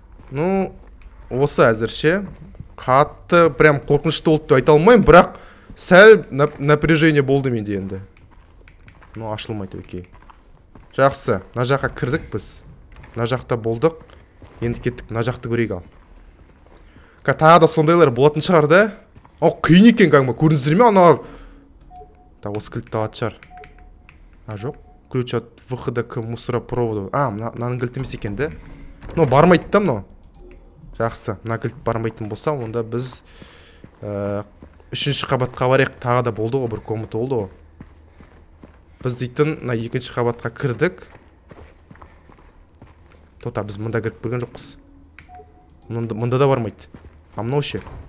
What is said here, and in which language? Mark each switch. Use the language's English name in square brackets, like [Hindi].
[Kazakh] Ну, осы әзірше. Қатты, прям қорқынышты болды деп айта алмаймын, бірақ сәл напряжение болды менде енді. Ну, ашылмайды, окей. Жақсы, мына жаққа кірдік біз. Мына жақта болдық. Енді кеттік, мына жақты көрейік ал. Тағы да сондайлар болатын шығар да? О, қиын екен кәдімгі, көрдіңіздер ме аналар? Та, осы кілтті алатын шығар. А, жоқ. [Russian] Ключ от выхода к мусоропроводу. [Kazakh] А, мынаның кілті емес екен, да? Ну, бармайды да, мынау. Жақсы, мына кілт бармайтын болса, онда біз үшінші қабатқа барайық. Тағы да болды ғой, бір комната болды ғой. Біз дейтін мына екінші қабатқа кірдік. Тота, біз мында кіріп көрген жоқпыз. Мында да бармайды. А мынау ше?